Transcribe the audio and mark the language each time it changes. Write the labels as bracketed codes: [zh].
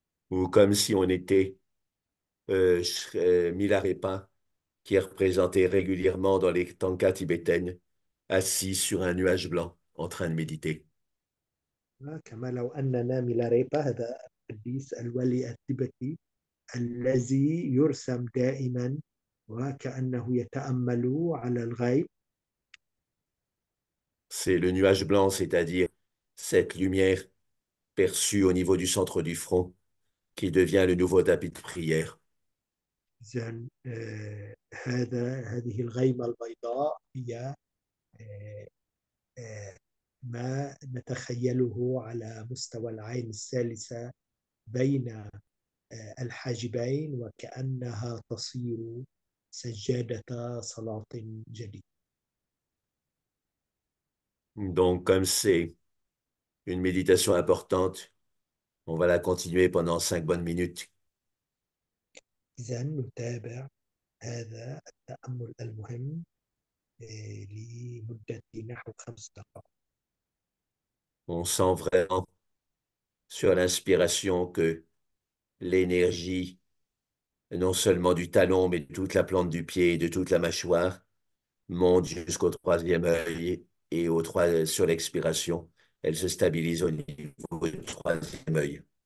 [fr] Ou comme si on était Milarepa, qui est représenté régulièrement dans les tankas tibétaines, assis sur un nuage blanc, en train de méditer. [ar] كما لو أننا ميلاريبا، هذا القديس الولي التبتي الذي يرسم دائما وكأنه يتأمل على الغيب. [fr] C'est le nuage blanc, c'est-à-dire cette lumière perçue au niveau du centre du front, qui devient le nouveau tapis de prière. [ar] إذن هذه الغيمة البيضاء هي ما نتخيله على مستوى العين الثالثة بين الحاجبين، وكأنها تصير سجادة صلاة جديدة. [fr] Donc, comme c'est une méditation importante, on va la continuer pendant 5 bonnes minutes. [ar] إذن نتابع هذا التأمل المهم لمدة نحو 5 دقائق. [fr] On sent vraiment sur l'inspiration que l'énergie, non seulement du talon, mais de toute la plante du pied et de toute la mâchoire, monte jusqu'au troisième œil. Et au trois, sur l'expiration, elle se stabilise au niveau du troisième œil.